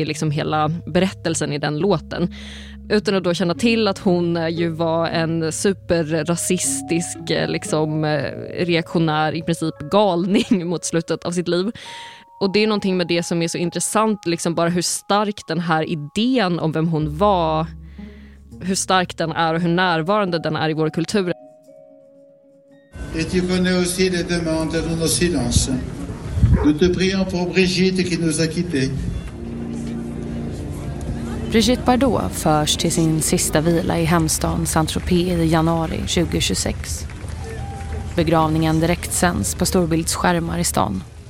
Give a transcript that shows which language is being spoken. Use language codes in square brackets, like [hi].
[sv] Det är liksom hela berättelsen i den låten. Utan att då känna till att hon ju var en superrasistisk liksom reaktionär, i princip galning mot slutet av sitt liv. Och det är någonting med det som är så intressant, liksom bara hur stark den här idén om vem hon var, hur stark den är och hur närvarande den är i vår kultur. [fr] Et tu connais aussi les demandes de nos silences. Nous te prions pour Brigitte qui nous a quittés. [sv] Brigitte Bardot förs till sin sista vila i hemstaden Saint-Tropez i januari 2026. Begravningen direkt sänds på storbildsskärmar i stan.